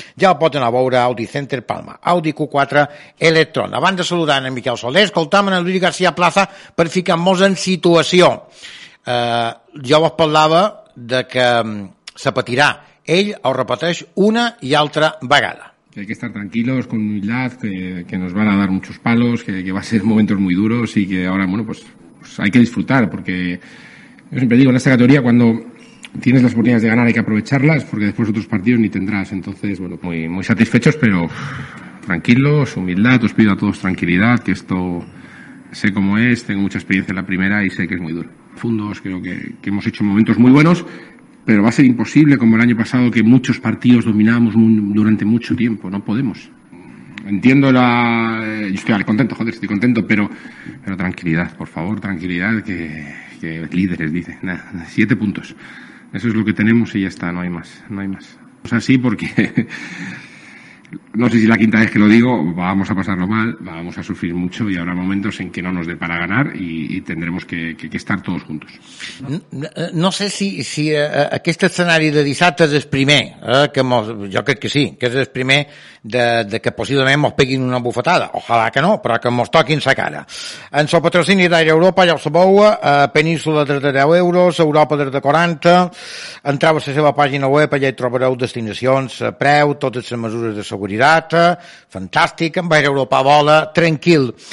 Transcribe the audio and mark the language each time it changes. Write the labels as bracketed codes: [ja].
[ca] Ja ho poden a veure a Audi Center Palma. Audi Q4 Electron. Abans de saludar en Miquel Soler, escoltam en Lluís García Plaza per ficar-nos en situació. Jo vos parlava de que se patirà. Ell ho repeteix una i altra vegada. [es] Que hay que estar tranquilos, con humildad, que nos van a dar muchos palos, que va a ser momentos muy duros y que ahora, bueno, pues hay que disfrutar, porque yo siempre digo, en esta categoría cuando tienes las oportunidades de ganar hay que aprovecharlas, porque después otros partidos ni tendrás. Entonces, bueno, muy, muy satisfechos, pero tranquilos, humildad, os pido a todos tranquilidad, que esto sé cómo es, tengo mucha experiencia en la primera y sé que es muy duro. Fundos, creo que hemos hecho momentos muy buenos, pero va a ser imposible, como el año pasado, que muchos partidos dominábamos durante mucho tiempo. No podemos. Entiendo la... Yo estoy contento, joder, estoy contento, pero tranquilidad, por favor, tranquilidad, que líderes, dice. Nada, 7 puntos. Eso es lo que tenemos y ya está, no hay más, no hay más. O sea, sí, porque... No sé si la quinta vez que lo digo, vamos a pasarlo mal, vamos a sufrir mucho y habrá momentos en que no nos dé para ganar y tendremos que estar todos juntos. [ca] No, no sé si aquest escenari de dissabte és el primer, que mos, jo crec que sí, que és el primer de que possiblement mos peguin una bufetada, ojalà que no, però que mos toquin sa cara. En el patrocini d'Aire Europa, ja ho sabeu, Península des de 10 euros, Europa des de 40, entrau a la seva pàgina web, allà hi trobareu destinacions, preu, totes les mesures de seguretat, fantàstic, amb Aire Europa vola, tranquil.